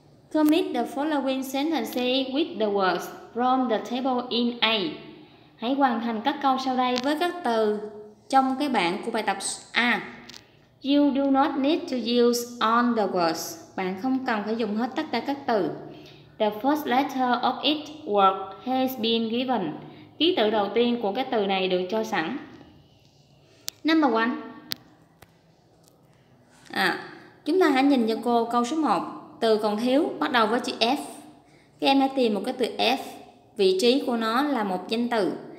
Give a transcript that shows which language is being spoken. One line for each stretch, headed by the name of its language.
English: Commit the following sentences with the words from the table in A.
Vietnamese: Hãy hoàn thành các câu sau đây với các từ trong cái bảng của bài tập A.
English: You do not need to use all the words.
Vietnamese: Bạn không cần phải dùng hết tất cả các từ.
English: The first letter of each word has been given.
Vietnamese: Ký tự đầu tiên của các từ này được cho sẵn.
English: Number 1.
Vietnamese: Chúng ta hãy nhìn cho cô câu số 1. Từ còn thiếu bắt đầu với chữ F. Các em hãy tìm một cái từ F. Vị trí của nó là một danh từ.